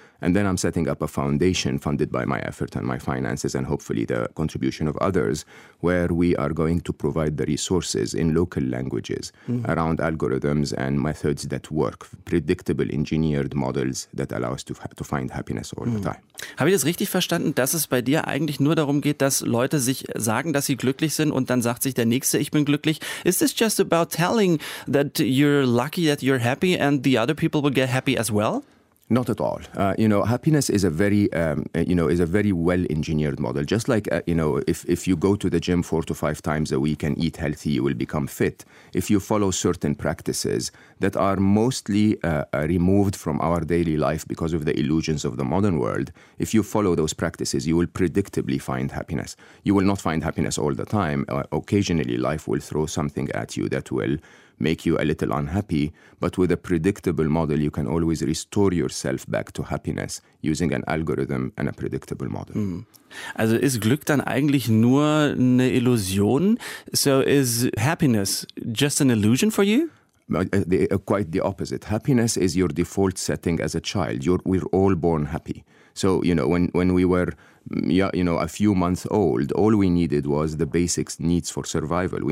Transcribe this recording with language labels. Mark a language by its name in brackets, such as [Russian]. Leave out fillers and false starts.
[English] And then I'm setting up a foundation funded by my effort and my finances and hopefully the contribution of others, where we are going to provide the resources in local languages around algorithms and methods that work, predictable engineered models that allow us to find happiness all the time. [German] Habe ich das richtig verstanden, dass es bei dir eigentlich nur darum geht, dass Leute sich sagen, dass sie glücklich sind und dann sagt sich der Nächste, ich bin glücklich? [English] Is this just about telling that you're lucky, that you're happy and the other people will get happy as well? Not at all. Happiness is a very, is a very well-engineered model. Just like, if you go to the gym 4 to 5 times a week and eat healthy, you will become fit. If you follow certain practices that are mostly removed from our daily life because of the illusions of the modern world, if you follow those practices, you will predictably find happiness. You will not find happiness all the time. Occasionally, life will throw something at you that will make you a little unhappy, but with a predictable model, you can always restore yourself back to happiness using an algorithm and a predictable model. [German] Also ist Glück dann eigentlich nur eine Illusion? [English] So is happiness just an illusion for you? Quite the opposite. Happiness is your default setting as a child. We're all born happy. So, when we were a few months old, all we needed was the basic needs for survival.